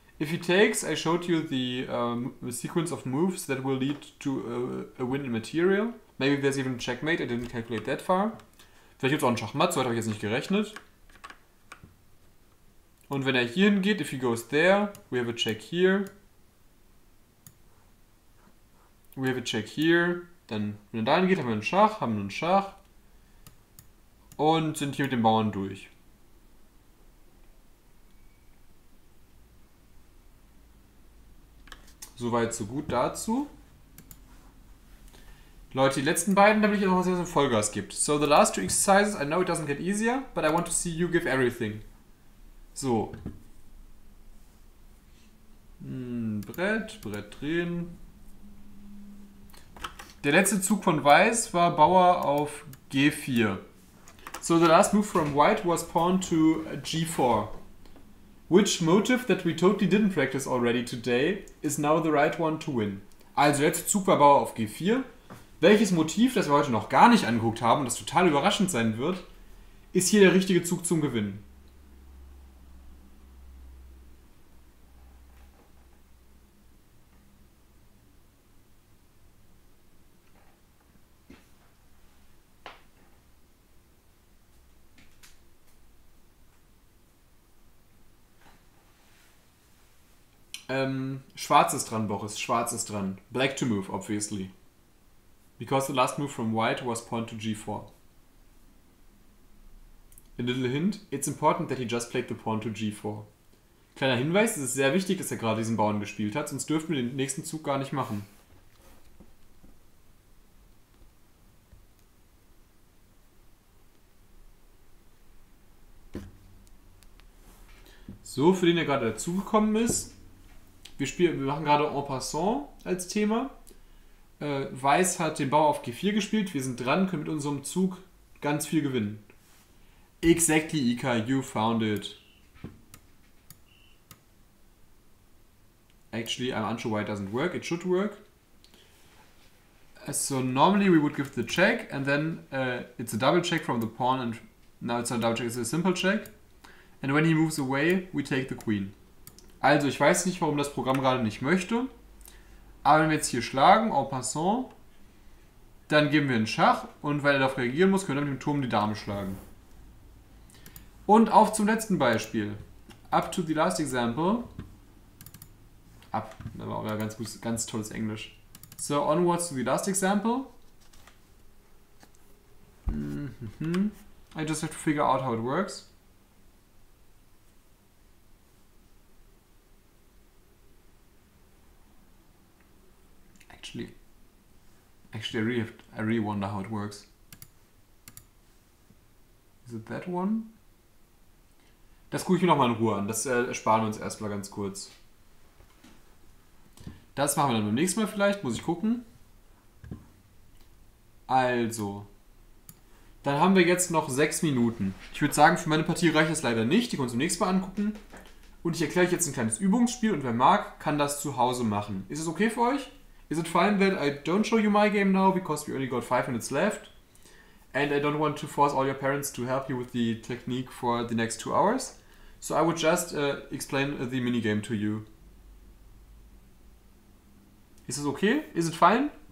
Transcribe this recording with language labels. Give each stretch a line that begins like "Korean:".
English: If he takes, I showed you the sequence of moves that will lead to a win in material. Maybe there's even a checkmate, I didn't calculate that far.
German: Vielleicht gibt es auch einen Schachmatt, so habe ich jetzt nicht gerechnet. Und wenn er hier hingeht,
English: if he goes there, we have a check here. We have a check here.
German: Dann, wenn er da hingeht, haben wir einen Schach. Und sind hier mit den Bauern durch. Soweit, so gut dazu. Leute, die letzten beiden, da will ich noch was, was ein Vollgas gibt.
English: So, the last two exercises, I know it doesn't get easier, but I want to see you give everything. So.
German: Brett, Brett drehen. Der letzte Zug von Weiß war Bauer auf G4.
English: So, the last move from White was Pawn to G4. Which motive that we totally didn't practice already today is now the right one to win?
German: Also, letzter Zug war Bauer auf G4. Welches Motiv, das wir heute noch gar nicht angeguckt haben, das total überraschend sein wird, ist hier der richtige Zug zum Gewinnen? Schwarz ist dran, Boris. Schwarz ist dran.
English: Black to move, obviously. Because the last move from White was Pawn to G4. A little hint. It's important that he just played the Pawn to G4.
German: Kleiner Hinweis, es ist sehr wichtig, dass er gerade diesen Bauern gespielt hat, sonst dürfen wir den nächsten Zug gar nicht machen. So, für den er gerade dazugekommen ist. Wir machen gerade en passant als Thema. Weiß hat den Bauer auf G4 gespielt. Wir sind dran, können mit unserem Zug ganz viel gewinnen.
English: Exactly, Ika, you found it. Actually, I'm unsure why it doesn't work. It should work. So normally we would give the check and then it's a double check from the pawn and now it's not a double check, it's a simple check. And when he moves away, we take the queen.
German: Also, ich weiß nicht, warum das Programm gerade nicht möchte. Aber wenn wir jetzt hier schlagen, en passant, dann geben wir einen Schach und weil er darauf reagieren muss, können wir mit dem Turm die Dame schlagen. Und auf zum letzten Beispiel.
English: Up to the last example.
German: Ab, das war auch ja ganz gut, ganz tolles Englisch.
English: So, onwards to the last example. I just have to figure out how it works. I really wonder how it works. Is it that one?
German: Das gucke ich mir nochmal in Ruhe an. Das ersparen wir uns erstmal ganz kurz. Das machen wir dann beim nächsten Mal vielleicht. Muss ich gucken. Also. Dann haben wir jetzt noch 6 Minuten. Ich würde sagen, für meine Partie reicht das leider nicht. Die können wir uns nächstes Mal angucken. Und ich erkläre euch jetzt ein kleines Übungsspiel. Und wer mag, kann das zu Hause machen. Ist es okay für euch?
English: Is it fine that I don't show you my game now because we only got 5 minutes left? And I don't want to force all your parents to help you with the technique for the next 2 hours. So I would just explain the minigame to you. Is this okay? Is it fine?